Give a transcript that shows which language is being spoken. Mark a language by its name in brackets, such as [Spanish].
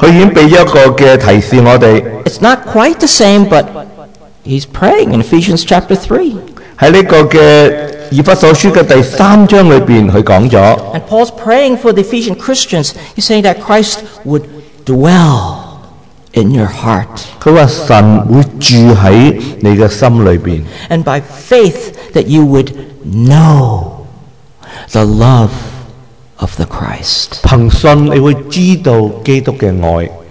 [Chinese] 在这个信的开头的时候,他已经给了一个提示我们。 [English] It's not quite the same, but he's praying in Ephesians chapter 3. [Chinese] 在这个以弗所书的第三章里面,他讲了。 [English] And Paul's praying for the Ephesian Christians. He's saying that Christ would dwell in your heart. [Chinese] 他说神会住在你的心里面。 [English] And by faith that you would know the love of the Christ. [Chinese] 凭信你会知道基督的爱。